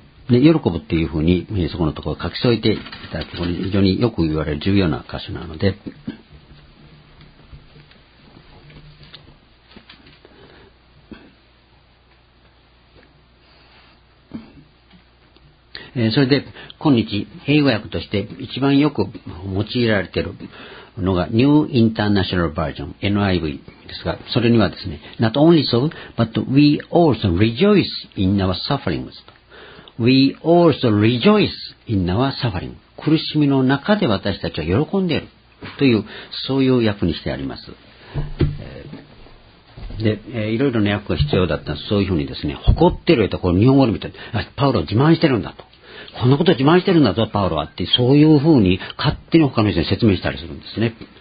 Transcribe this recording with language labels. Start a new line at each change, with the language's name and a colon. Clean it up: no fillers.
Japanese: で、喜ぶっていうふうに、そこのところを書き添えていただくと、非常によく言われる重要な箇所なので、それで、今日、英語訳として一番よく用いられているのが、New International Version、NIV ですが、それにはですね、
English: Not only so, but we also rejoice in our sufferings. We also rejoice in our suffering.
Japanese: 苦しみの中で私たちは喜んでいる。という、そういう訳にしてあります。で、いろいろな訳が必要だったら、そういうふうにですね、誇ってる絵と、これ日本語で見て、パウロ自慢してるんだと。こんなこと自慢してるんだぞ、パウロはって、そういうふうに勝手に他の人に説明したりするんですね。